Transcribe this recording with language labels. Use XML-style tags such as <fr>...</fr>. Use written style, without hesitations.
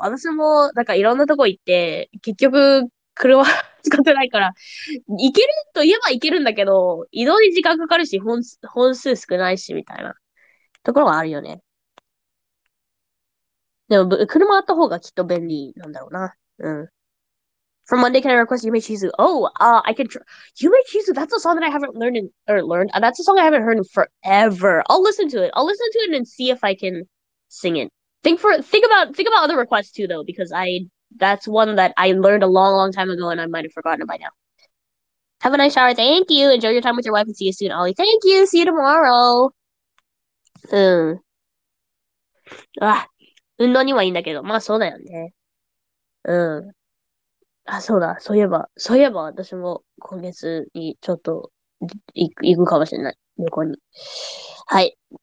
<ja>私も、なんかいろんなとこ行って、結局、車使ってないから、行けると言えば行けるんだけど、移動に時間かかるし、本数少ないし、みたいな、ところはあるよね。でも、車あった方がきっと便利なんだろうな。</ja> <en>うん。From Monday, can I request Yume Chizu? Oh, I can try. Yume Chizu, that's a song that I haven't learned. That's a song I haven't heard in forever. I'll listen to it and see if I can sing it. Think about other requests too, though, because that's one that I learned a long, long time ago and I might have forgotten it by now. Have a nice shower. Thank you. Enjoy your time with your wife and see you soon, Ollie. Thank you. See you tomorrow.</en> <ja>Ah, 運動にはいいんだけど。まあそうだよね。あ、そうだ。そういえば、私も今月にちょっと行くかもしれない。旅行に。はい。</ja>